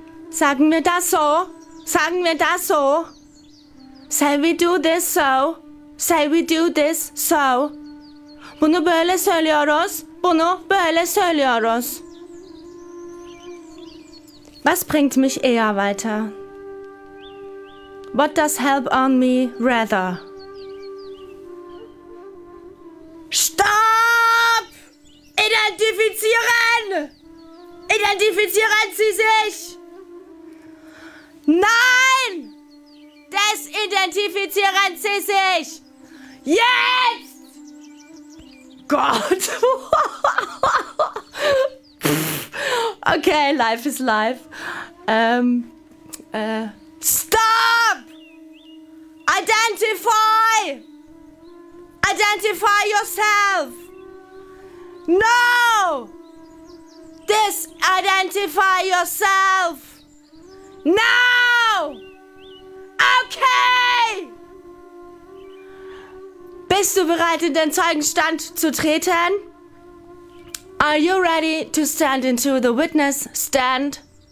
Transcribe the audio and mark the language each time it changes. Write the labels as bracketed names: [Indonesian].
[German] Sagen wir das so, sagen wir das so, [English] say we do this so. Say we do this so. [Turkish] Bunu böyle söylüyoruz. Bunu böyle söylüyoruz. [German] Was bringt mich eher weiter? [English] What does help on me rather? [German] Stopp! Identifizieren! Identifizieren Sie sich! Nein! Desidentifizieren Sie sich! Jetzt! Gott! [English] Okay, life is life. Stop! Identify! Identify yourself! No! Disidentify yourself! Now! Okay! [German] Bist du bereit, in den Zeugenstand zu treten? [English] Are you ready to stand into the witness stand?